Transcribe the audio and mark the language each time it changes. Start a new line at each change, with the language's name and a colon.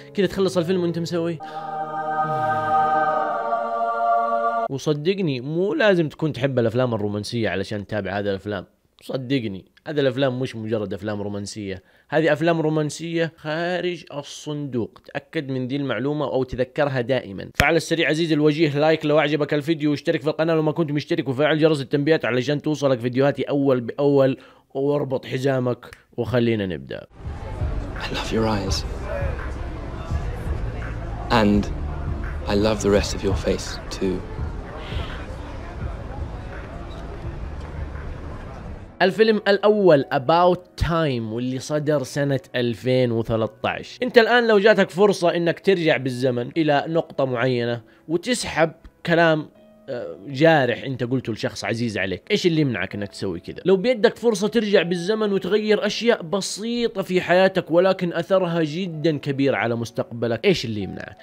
Arabic: كذا تخلص الفيلم وانت مسوي؟ وصدقني مو لازم تكون تحب الأفلام الرومانسية علشان تتابع هذه الأفلام، صدقني هذه الأفلام مش مجرد أفلام رومانسية، هذه أفلام رومانسية خارج الصندوق. تأكد من ذي المعلومة أو تذكرها دائما. فعل السريع عزيزي الوجيه لايك لو أعجبك الفيديو، واشترك في القناة لو ما كنت مشترك، وفعل جرس التنبيهات علشان توصلك فيديوهاتي أول بأول، واربط حزامك وخلينا نبدأ.
English: I love your eyes and I love the rest of your face too.
Arabic: الفيلم الأول About Time، واللي صدر سنة 2013. انت الآن لو جاتك فرصة انك ترجع بالزمن الى نقطة معينة وتسحب كلام جارح انت قلته لشخص عزيز عليك، ايش اللي يمنعك انك تسوي كذا؟ لو بيدك فرصة ترجع بالزمن وتغير اشياء بسيطة في حياتك ولكن اثرها جدا كبير على مستقبلك، ايش اللي يمنعك؟